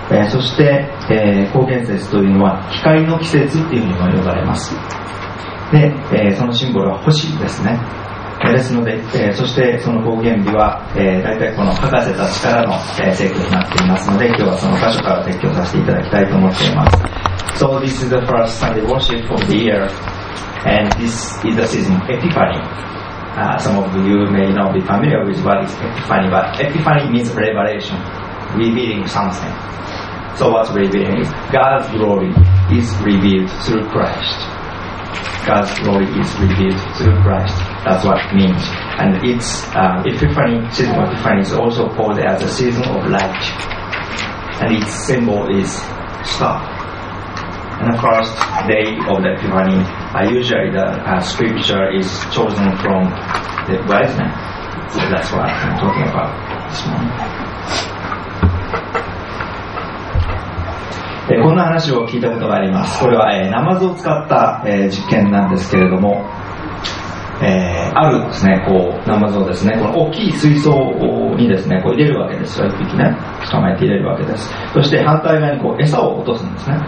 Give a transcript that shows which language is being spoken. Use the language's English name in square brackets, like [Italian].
[Japanese] そして、光原節というのは光の季節というふうにも呼ばれます。で、そのシンボルは星ですね。ですので、そしてその光原日は、大体この博士たちからの、聖句になっていますので、今日はその箇所から説教させていただきたいと思っています。 [English] So this is the first Sunday worship of the year and this is the season Epiphany. Some of you may not be familiar with what is Epiphany, but Epiphany means revelation, revealing something. So what's revealing is God's glory is revealed through Christ. God's glory is revealed through Christ. That's what it means. And it's Epiphany, season of Epiphany is also called as a season of light. And its symbol is star. And the first day of the Epiphany, usually the scripture is chosen from the wise men. So that's what I'm talking about this morning. [Japanese] こんな話を聞いたことがあります。これは、ナマズを使った、実験なんですけれども、あるですね、こうナマズをですね、この大きい水槽にですね、こう入れるわけですよ。 1匹ね、捕まえて入れるわけです。そして反対側にこう餌を落とすんですね。